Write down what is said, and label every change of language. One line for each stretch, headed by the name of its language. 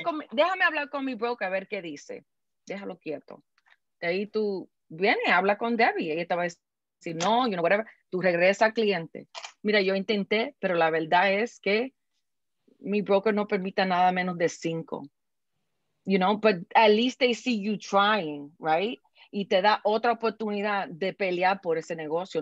Spanish: déjame hablar con mi broker a ver qué dice. Déjalo quieto. De ahí tú vienes, habla con Debbie. Ella te va a decir, no, you know, whatever. Tú regresas al cliente. Mira, yo intenté, pero la verdad es que mi broker no permite nada menos de 5.
English: You know, but at least they see you trying, right?
Spanish: Y te da otra oportunidad de pelear por ese negocio.